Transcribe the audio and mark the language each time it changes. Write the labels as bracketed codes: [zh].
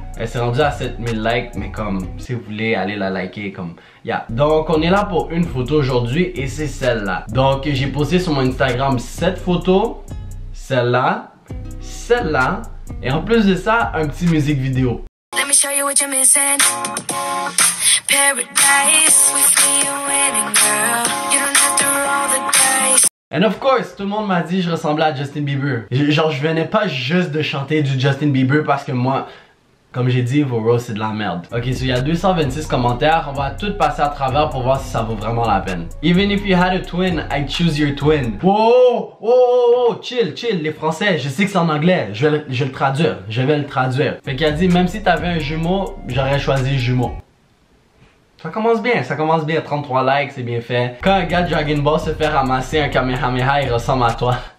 [fr] Elle s'est rendue à 7000 likes, mais comme, si vous voulez, allez la liker, comme, yeah. Donc, on est là pour une photo aujourd'hui, et c'est celle-là. Donc, j'ai posté sur mon Instagram cette photo, celle-là, celle-là, et en plus de ça, un petit musique vidéo. [en] Let me show you what you're missing. Paradise, with me you're winning, girl. You don't have to roll the dice. And of course, [fr] tout le monde m'a dit que je ressemblais à Justin Bieber. Genre, je venais pas juste de chanter du Justin Bieber parce que moi... Comme j'ai dit, vos roasts c'est de la merde. Ok, so il y a 226 commentaires, on va tout passer à travers pour voir si ça vaut vraiment la peine. [en] Even if you had a twin, I'd choose your twin. [fr] Wow, oh, chill, chill, les français, je sais que c'est en anglais, je vais le traduire, je vais le traduire. Fait qu'il a dit, même si t'avais un jumeau, j'aurais choisi jumeau. Ça commence bien, 33 likes, c'est bien fait. Quand un gars de Dragon Ball se fait ramasser un Kamehameha, il ressemble à toi.